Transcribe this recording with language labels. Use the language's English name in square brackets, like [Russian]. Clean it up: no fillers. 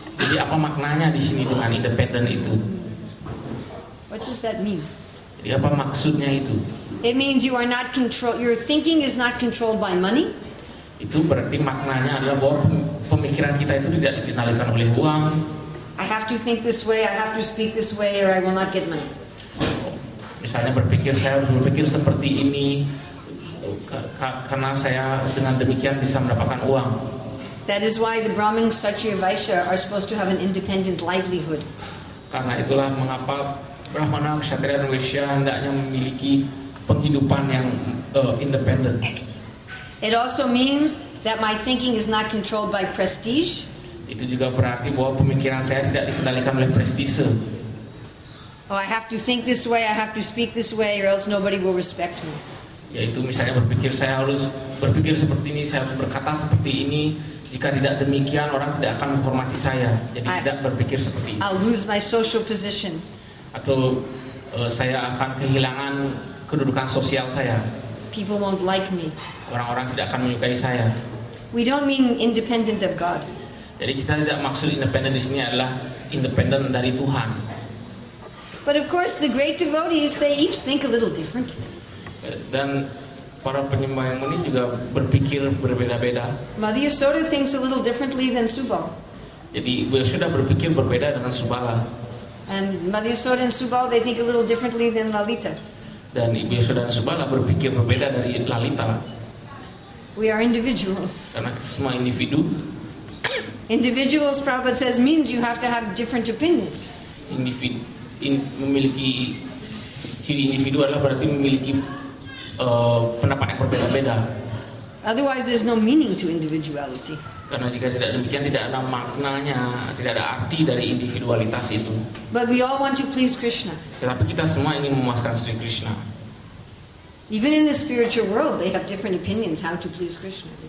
[Indonesian] Jadi apa maknanya di sini dengan independen itu? [English] What does that mean? [Indonesian] Jadi apa maksudnya itu? [English] It means you are not control. Your thinking is not controlled by money. [Indonesian] Itu berarti maknanya adalah bahwa pemikiran kita itu tidak dikendalikan oleh uang. [English] I have to think this way. I have to speak this way, or I will not get money. [Indonesian] Misalnya berpikir saya harus berpikir seperti ini karena saya dengan demikian bisa mendapatkan uang. [English] That is why the Brahmin, Kshatriya, Vaishya are supposed to have an independent livelihood. [Indonesian] Karena itulah mengapa Brahmana, Kshatriya, dan Vaishya hendaknya memiliki penghidupan yang independent. [English] It also means that my thinking is not controlled by prestige. [Indonesian] Itu juga berarti bahwa pemikiran saya tidak dikendalikan oleh prestise. [English] Oh, I have to think this way, I have to speak this way, or else nobody will respect me. [Indonesian] Yaitu misalnya berpikir saya harus berpikir seperti ini, saya harus berkata seperti ini. Jika tidak demikian, orang tidak akan menghormati saya. Jadi tidak berpikir seperti ini. [English] I'll lose my social position. [Indonesian] Atau saya akan kehilangan kedudukan sosial saya. [English] People won't like me. [Indonesian] Orang-orang tidak akan menyukai saya. [English] We don't mean independent of God. [Indonesian] Jadi kita tidak maksud independen di sini adalah independen dari Tuhan. [English] But of course the great devotees, they each think a little differently. [Indonesian] Dan para penyembah yang mulia juga berpikir berbeda-beda. [English] Madhya Yashoda thinks a little differently than Subal. [Indonesian] Jadi Ibu Yashoda berpikir berbeda dengan Subala. [English] And Madhya Yashoda and Subal, they think a little differently than Lalita. [Indonesian] Dan Ibu Yashoda dan Subala berpikir berbeda dari Lalita. [English] We are individuals. [Indonesian] Karena kita semua individu. [English] Individuals, Prabhupada says, means you have to have different opinions. [Indonesian] Individu memiliki ciri individu adalah berarti memiliki pendapat yang berbeda-beda. [English] Otherwise, there's no meaning to individuality. [Indonesian] Karena jika tidak demikian, tidak ada maknanya, tidak ada arti dari individualitas itu. [English] But we all want to please Krishna. [Indonesian] Tetapi kita semua ingin memuaskan Sri Krishna. [English] Even in the spiritual world, they have different opinions how to please Krishna.